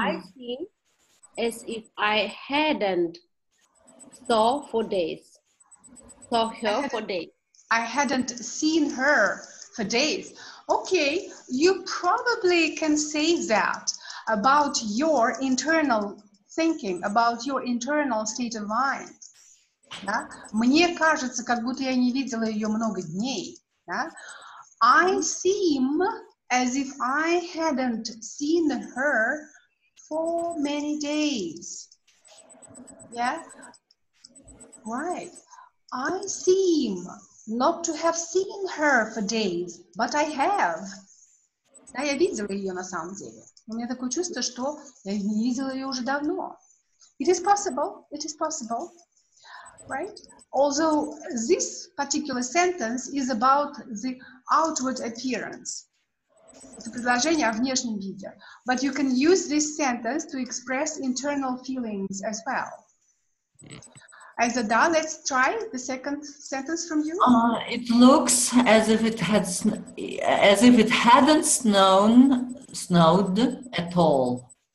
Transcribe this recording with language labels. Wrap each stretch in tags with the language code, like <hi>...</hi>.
<en>I seem as if I hadn't saw for days. Saw her for days. I hadn't seen her for days. Okay, you probably can say that about your internal thinking, about your internal state of mind.</en> <ru>Да? Мне кажется, как будто я не видела ее много дней. Да?</ru> <en>I seem as if I hadn't seen her for many days. Yeah? Right. I seem not to have seen her for days, but I have.</en> <ru>Да, я видела ее на самом деле. У меня такое чувство, что я не видела ее уже давно.</ru> <en>It is possible. It is possible. Right? Although this particular sentence is about the outward appearance.</en> <ru>В предложении о внешнем виде.</ru> <en>But you can use this sentence to express internal feelings as well. As a doll, let's try the second sentence from you. It looks as if it has, as if it hadn't snowed at all.</en>